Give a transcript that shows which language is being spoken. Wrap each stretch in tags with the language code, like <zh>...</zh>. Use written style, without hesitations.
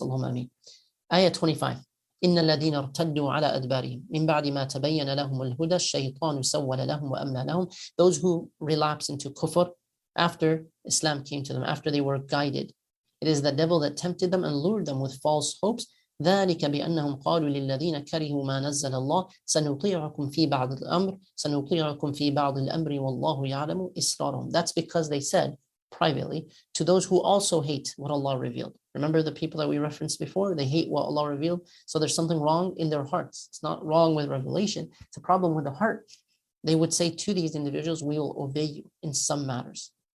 <ar>Allahumma ameen.</ar> <en>Ayah 25.</en> <ar>إِنَّ الَّذِينَ ارْتَدُّوا عَلَىٰ أَدْبَارِهِمْ مِنْ بَعْدِ مَا تَبَيَّنَ لَهُمُ الْهُدَى الشَّيْطَانُ سَوَّلَ لَهُمْ وَأَمْلَى لَهُمْ.</ar> <en>Those who relapse into kufr after Islam came to them, after they were guided. It is the devil that tempted them and lured them with false hopes.</en> <ar>ذلك بأنهم قالوا للذين كرهوا ما نزل الله سنطيعكم في بعض الأمر سنطيعكم في بعض الأمر والله يعلم إسرارهم.</ar> <en>That's because they said privately to those who also hate what Allah revealed. Remember the people that we referenced before? They hate what Allah revealed. So there's something wrong in their hearts. It's not wrong with revelation. It's a problem with the heart. They would say to these individuals, we will obey you in some matters.</en>